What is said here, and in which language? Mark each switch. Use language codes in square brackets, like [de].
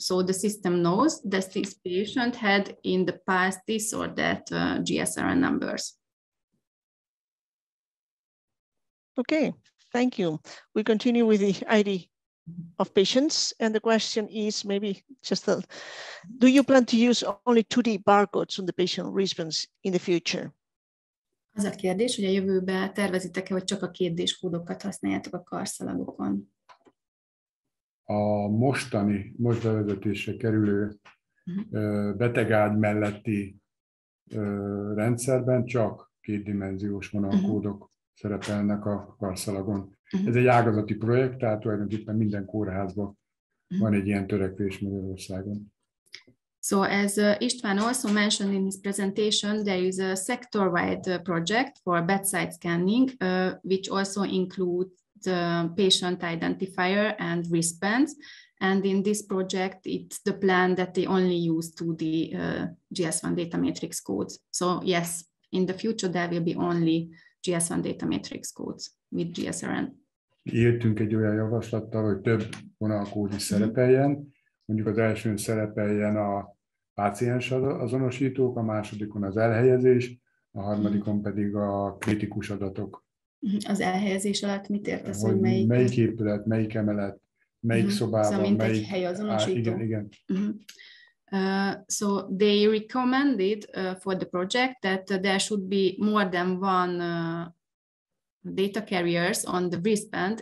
[en] So the system knows that this patient had in the past this or that GSRN numbers. Okay. Thank you. We continue with the ID of patients. And the question is maybe just, do you plan to use only 2D barcodes on the patient wristbands in the future? [hu] Az a kérdés, hogy a jövőben tervezitek-e, hogy csak a 2D-s kódokat használjátok a karszalagokon? A mostani, most bevezetésre kerülő betegágy melletti rendszerben csak kétdimenziós vonalkódok szerepelnek a karszalagon. Uh-huh. Ez egy ágazati projekt, tehát tulajdonképpen minden kórházban van egy ilyen törekvés Magyarországon. [en] So as István also mentioned in his presentation, there is a sector-wide project for bedside scanning, which also includes the patient identifier and wristbands. And in this project, it's the plan that they only use 2D GS1 data matrix codes. So yes, in the future, there will be only GS1 data matrix codes with GSRN. [hu] Írtunk egy olyan javaslattal, hogy több vonalkód is szerepeljen. Mondjuk az elsőn szerepeljen a páciens azonosítók, a másodikon az elhelyezés, a harmadikon pedig a kritikus adatok. Az elhelyezés alatt mit értesz, hogy melyik épület, melyik emelet, melyik szobában, szóval melyik egy hely azonosító. Igen, igen. [en] So they recommended for the project that there should be more than one data carriers on the wristband.